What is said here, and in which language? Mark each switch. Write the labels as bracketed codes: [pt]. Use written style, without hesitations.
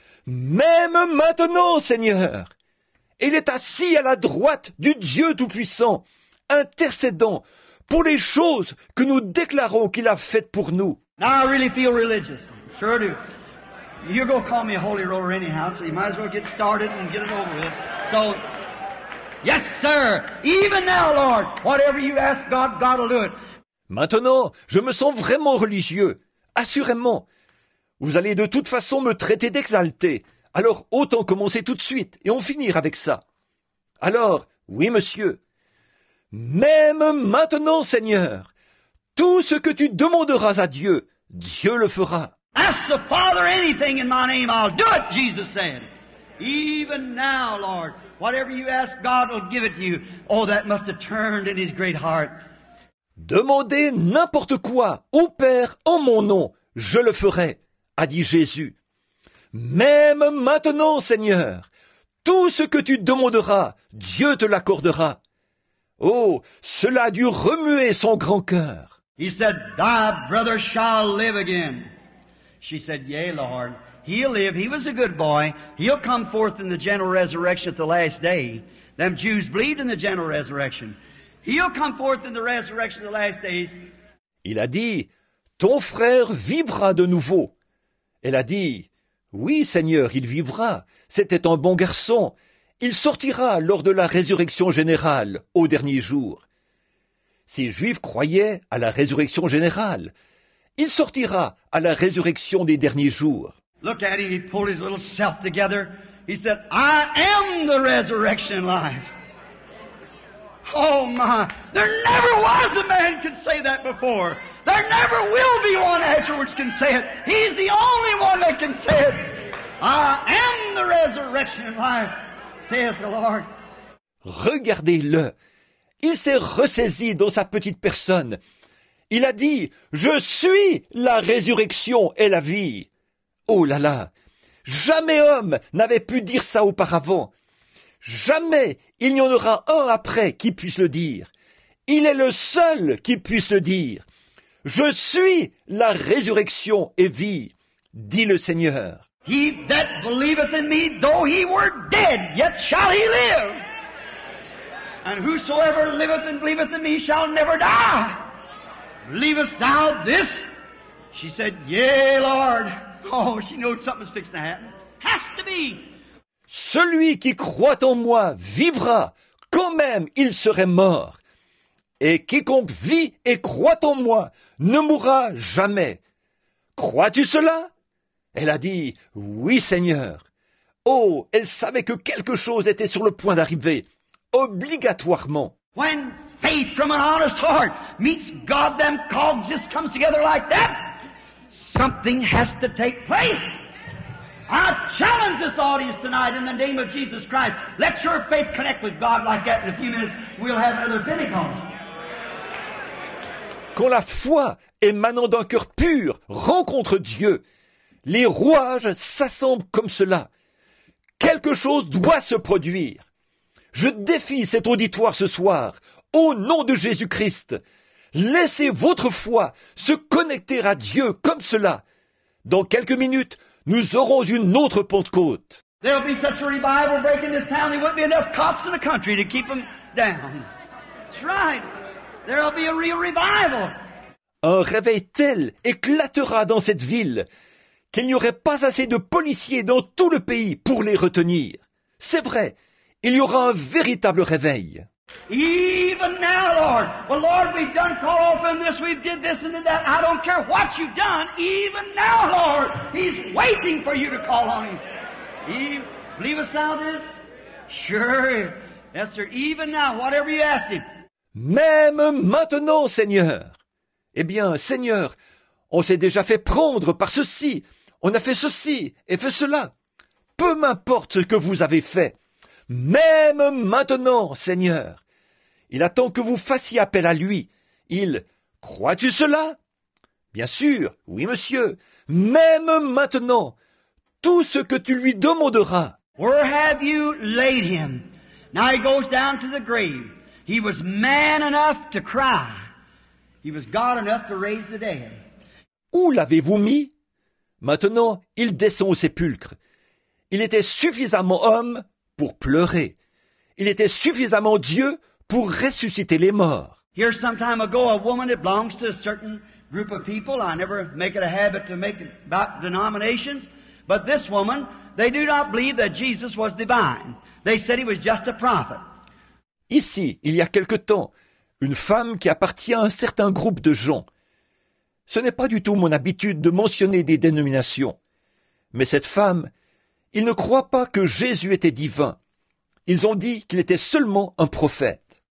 [fr] Même maintenant, Seigneur, il est assis à la droite du Dieu Tout-Puissant, intercédant pour les choses que nous déclarons qu'il a faites pour nous. [en] Now I really feel religious. Sure do. You're going to call me a holy roller anyhow, so you might as well get started and get it over with. So, yes, sir. Even now, Lord, whatever you ask God, God will do it. [fr] Maintenant, je me sens vraiment religieux. Assurément. Vous allez de toute façon me traiter d'exalté. Alors, autant commencer tout de suite et en finir avec ça. Alors, oui, monsieur. Même maintenant, Seigneur, tout ce que tu demanderas à Dieu, Dieu le fera. [en] Ask the Father anything in my name, I'll do it, Jesus said. Even now, Lord, whatever you ask, God will give it to you. Oh, that must have turned in his great heart. [fr] Demandez n'importe quoi, au Père, en mon nom, je le ferai, a dit Jésus. Même maintenant, Seigneur, tout ce que tu demanderas, Dieu te l'accordera. Oh, cela a dû remuer son grand cœur. [en] He said, thy brother shall live again. She said, yea, Lord, he'll live. He was a good boy. He'll come forth in the general resurrection at the last day. Them Jews believed in the general resurrection. He'll come forth in the resurrection of the last days. [fr] Il a dit, ton frère vivra de nouveau. Elle a dit, oui, Seigneur, il vivra. C'était un bon garçon. Il sortira lors de la résurrection générale au dernier jour. Si Juifs croyaient à la résurrection générale, il sortira à la résurrection des derniers jours. [en] Look at him, he pulled his little self together. He said, I am the resurrection life. Oh my, there never was a man can say that before. There never will be one afterwards can say it. He's the only one that can say it. I am the resurrection life, saith the Lord. [fr] Regardez-le. Il s'est ressaisi dans sa petite personne. Il a dit, je suis la résurrection et la vie. Oh là là, jamais homme n'avait pu dire ça auparavant. Jamais il n'y en aura un après qui puisse le dire. Il est le seul qui puisse le dire. Je suis la résurrection et vie, dit le Seigneur. [en] He that believeth in me, though he were dead, yet shall he live. And whosoever liveth and believeth in me shall never die. Believest thou this? She said, yea, Lord. Oh, she knows something's fixed to happen. Has to be. [fr] Celui qui croit en moi vivra, quand même il serait mort. Et quiconque vit et croit en moi ne mourra jamais. Crois-tu cela? Elle a dit, oui, Seigneur. Oh, elle savait que quelque chose était sur le point d'arriver, obligatoirement. [en] When faith from an honest heart meets God, them cogs just comes together like that. Something has to take place. I challenge this audience tonight in the name of Jesus Christ. Let your faith connect with God like that. In a few minutes, we'll have another Pentecost. [fr] Quand la foi émanant d'un cœur pur rencontre Dieu, les rouages s'assemblent comme cela. Quelque chose doit se produire. Je défie cet auditoire ce soir. Au nom de Jésus-Christ, laissez votre foi se connecter à Dieu comme cela. Dans quelques minutes, nous aurons une autre Pentecôte. [en] There'll be such a revival breaking this town, there wouldn't be enough cops in the country to keep them down. That's right. There'll be a real revival. [fr] Un réveil tel éclatera dans cette ville qu'il n'y aurait pas assez de policiers dans tout le pays pour les retenir. C'est vrai, il y aura un véritable réveil. [en] Even now, Lord. Well, Lord, we've done call off in this, we've did this and did that. I don't care what you've done. Even now, Lord, He's waiting for you to call on Him. Eve, believest thou this? Sure. Yes, sir. Even now, whatever you ask Him. [fr] Même maintenant, Seigneur. Eh bien, Seigneur, on s'est déjà fait prendre par ceci. On a fait ceci et fait cela. Peu m'importe ce que vous avez fait. Même maintenant, Seigneur. Il attend que vous fassiez appel à lui. Il, crois-tu cela? Bien sûr, oui, monsieur. Même maintenant, tout ce que tu lui demanderas. [en] Where have you laid him? Now he goes down to the grave. He was man enough to cry. He was God enough to raise the dead. [fr] Où l'avez-vous mis? Maintenant, il descend au sépulcre. Il était suffisamment homme pour pleurer. Il était suffisamment Dieu pour ressusciter les morts. [en] Here some time ago, a woman that belongs to a certain group of people, I never make it a habit to make it about denominations, but this woman, they do not believe that Jesus was divine. They said he was just a prophet. [fr] Ici, il y a quelque temps, une femme qui appartient à un certain groupe de gens. Ce n'est pas du tout mon habitude de mentionner des dénominations. Mais cette femme, ils ne croient pas que Jésus était divin. Ils ont dit qu'il était seulement un prophète.